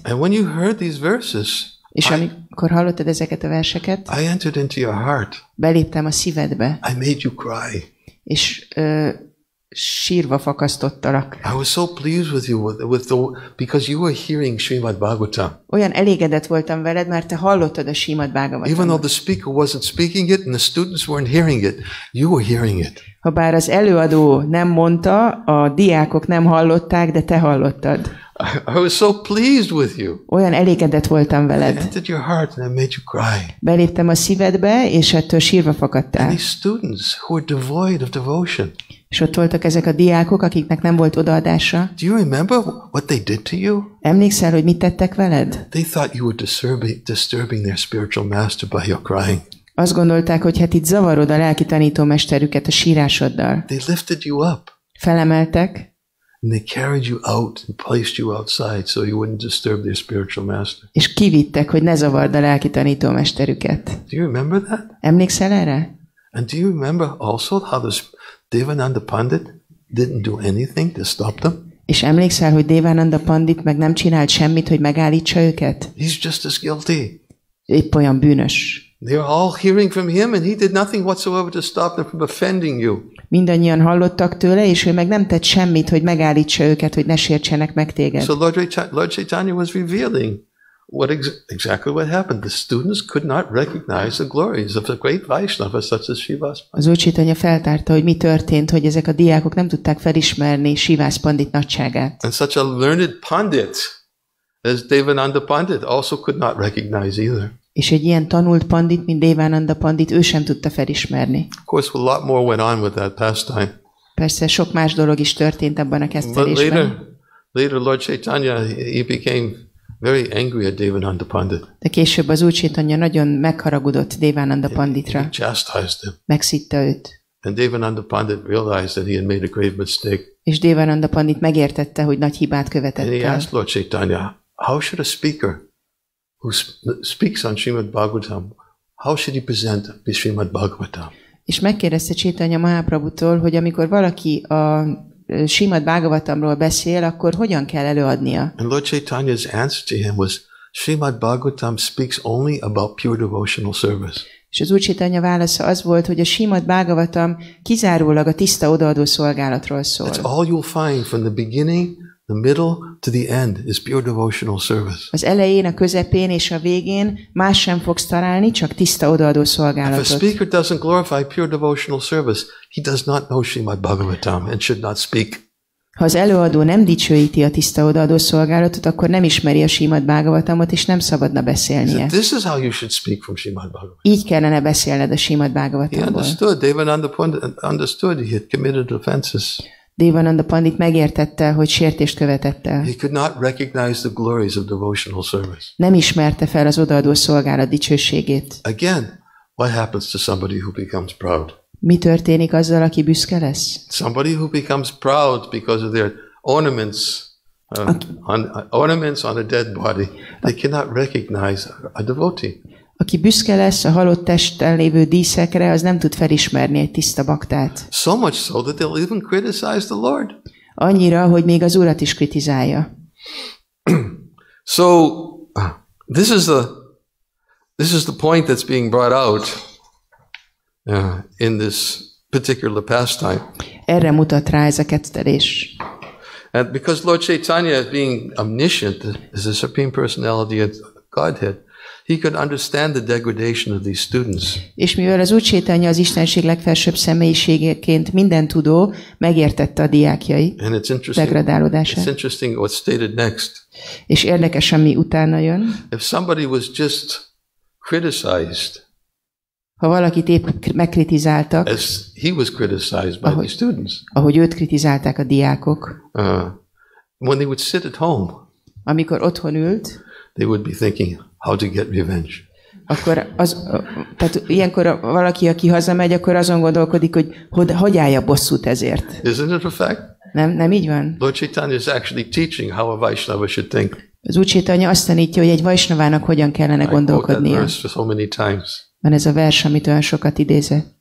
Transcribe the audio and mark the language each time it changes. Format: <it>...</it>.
<en>And when you heard these verses,</en> <hu>és amikor hallottad ezeket a verseket,</hu> <en>I entered into your heart.</en> <hu>Beléptem a szívedbe.</hu> <en>I made you cry.</en> <hu>És sírva fakasztottalak.</hu> <en>I was so pleased with you because you were hearing Srimad Bhagavatam.</en> <hu>Olyan elégedett voltam veled, mert te hallottad a Srimad Bhagavatam.</hu> <en>Even though the speaker wasn't speaking it and the students weren't hearing it, you were hearing it.</en> <hu>Habár az előadó nem mondta, a diákok nem hallották, de te hallottad.</hu> <en>I was so pleased with you.</en> <hu>Olyan elégedett voltam veled.</hu> <en>I entered your heart and I made you cry.</en> <hu>Beléptem a szívedbe, és ettől sírva fakadtál.</hu> <en>And these students who are devoid of devotion.</en> <hu>És ott voltak ezek a diákok, akiknek nem volt odaadása.</hu> <en>Do you remember what they did to you?</en> <hu>Emlékszel, hogy mit tettek veled?</hu> <en>They thought you were disturbing their spiritual master by your crying.</en> <hu>Azt gondolták, hogy hát itt zavarod a lelki tanító mesterüket a sírásoddal.</hu> <en>They lifted you up.</en> <hu>Felemeltek.</hu> <en>And they carried you out and placed you outside so you wouldn't disturb their spiritual master.</en> <hu>És kivittek, hogy ne zavard a lelki tanító mesterüket.</hu> <en>Do you remember that?</en> <hu>Emlékszel erre?</hu> <en>And do you remember also how the Devananda Pandit didn't do anything to stop them?</en> <hu>És emlékszel, hogy Devananda Pandit meg nem csinált semmit, hogy megállítsa őket?</hu> <en>He's just as guilty.</en> <hu>Épp olyan bűnös.</hu> <en>They're all hearing from him and he did nothing whatsoever to stop them from offending you.</en> <hu>Mindannyian hallottak tőle, és ő meg nem tett semmit, hogy megállítsa őket, hogy ne sértsenek meg téged.</hu> <en>So Lord Caitanya was revealing exactly what happened. The students could not recognize the glories of a great Vaishnava such as Shivas Pandit.</en> <hu>Az Úr Caitanya feltárta, hogy mi történt, hogy ezek a diákok nem tudták felismerni Shivas Pandit nagyságát.</hu> <en>And such a learned pandit as Devananda Pandit also could not recognize either.</en> <hu>És egy ilyen tanult pandit, mint Devananda pandit, ő sem tudta felismerni.</hu> <en>Of course, a lot more went on with that pastime.</en> <hu>Persze, sok más dolog is történt abban a kesztelésben.</hu> <en>Later, Lord Caitanya, he became very angry at Devananda pandit.</en> <hu>De később az Úr Caitanya nagyon megharagudott Devananda panditra.</hu> <en>He chastised him.</en> <hu>Megszitta őt.</hu> <en>And Devananda pandit realized that he had made a grave mistake.</en> <hu>És Devananda pandit megértette, hogy nagy hibát követett el.</hu> <en>And he asked Lord Caitanya, how should a speaker who speaks on Srimad Bhagavatam, how should he present Srimad Bhagavatam?</en> <hu>És megkérdezte Caitanya Mahaprabhutól, hogy amikor valaki a Srimad Bhagavatamról beszél, akkor hogyan kell előadnia?</hu> <en>And Lord Caitanya's answer to him was, Srimad Bhagavatam speaks only about pure devotional service.</en> <hu>És az Úr Caitanya válasza az volt, hogy a Srimad Bhagavatam kizárólag a tiszta odaadó szolgálatról szól.</hu> <en>That's all you'll find from the beginning, the middle to the end is pure devotional service.</en> <hu>Az elején, a közepén és a végén más sem fogsz találni, csak tiszta odaadó szolgálatot.</hu> <en>If a speaker doesn't glorify pure devotional service, he does not know Srimad Bhagavatam and should not speak.</en> <hu>Ha az előadó nem dicsőíti a tiszta odaadó szolgálatot, akkor nem ismeri a Srimad Bhagavatamot, és nem szabadna beszélnie.</hu> <en>This is how you should speak from Srimad Bhagavatam.</en> <hu>Így kellene beszélned a Srimad Bhagavatamból.</hu> <en>He understood. Devananda Pandit understood. He had committed offenses.</en> <hu>Devananda pandit megértette, hogy sértést követett el.</hu> <en>He could not recognize the glories of devotional service.</en> <hu>Nem ismerte fel az odaadó szolgálat dicsőségét.</hu> <en>Again, what happens to somebody who becomes proud?</en> <hu>Mi történik azzal, aki büszke lesz?</hu> <en>Somebody who becomes proud because of their ornaments, ornaments on a dead body, they cannot recognize a devotee.</en> <hu>Aki büszke lesz a halott testen lévő díszekre, az nem tud felismerni egy tiszta baktát.</hu> <en>So much so that they'll even criticize the Lord.</en> <hu>Annyira, hogy még az Urat is kritizálja.</hu> <en>So this is the point that's being brought out in this particular pastime.</en> <hu>Erre mutat rá ez a kettelés.</hu> <en>And because Lord Caitanya is being omniscient, is the supreme personality of Godhead. He could understand the degradation of these students.</en> <hu>És mivel az Úr Caitanya az Istenség legfelsőbb személyiségeként minden tudó, megértette a diákjai degradálódását.</hu> <en>It's interesting what's stated next.</en> <hu>És érdekes, ami utána jön.</hu> <en>If somebody was just criticized,</en> <hu>ha valakit épp megkritizáltak,</hu> <en>as he was criticized by the students,</en> <hu>ahogy őt kritizálták a diákok,</hu> <en>when they would sit at home,</en> <hu>amikor otthon ült,</hu> <en>they would be thinking, how to get revenge.</en> <hu>Akkor az, tehát ilyenkor valaki, aki hazamegy, akkor azon gondolkodik, hogy hogy állja bosszút ezért.</hu> <en>Isn't it a fact?</en> <hu>Nem így van.</hu> <en>Lord Caitanya is actually teaching how a Vaishnava should think.</en> <hu>Az Úr Caitanya azt tanítja, hogy egy Vaishnavának hogyan kellene gondolkodnia.</hu> <en>I quote that verse so many times.</en> <hu>Van ez a vers, amit olyan sokat idéze.</hu>